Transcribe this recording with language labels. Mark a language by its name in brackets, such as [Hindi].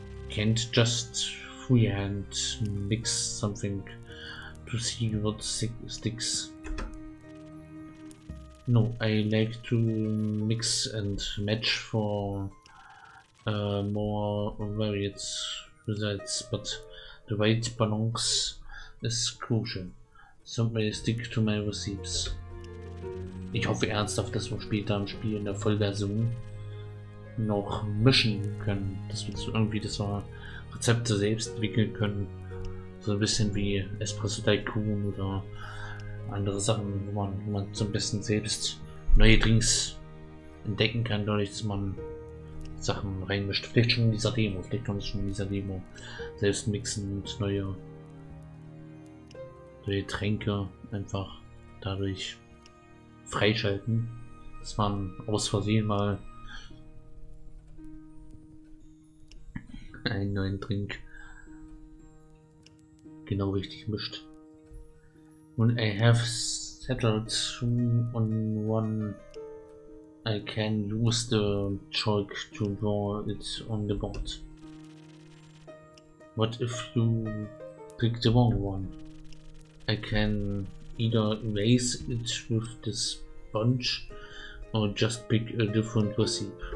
[English] Can't just freehand mix something to see what sticks. No, I like to mix and match for more varied results, but the right balance is crucial. Somebody stick to my receipts. [German] Ich hoffe ernsthaft, dass wir später im Spiel in der Vollversion noch mischen können, dass wir so irgendwie das Rezepte selbst entwickeln können. So ein bisschen wie Espresso Tycoon oder andere Sachen, wo man zum besten selbst neue Drinks entdecken kann, dadurch, dass man Sachen reinmischt. Vielleicht schon in dieser Demo, selbst mixen und neue Tränke einfach dadurch freischalten, dass man aus Versehen mal einen neuen Drink genau richtig mischt. [English] When I have settled on one, I can use the chalk to draw it on the board. What if you click the wrong one. I can either erase it with the sponge or just pick a different recipe.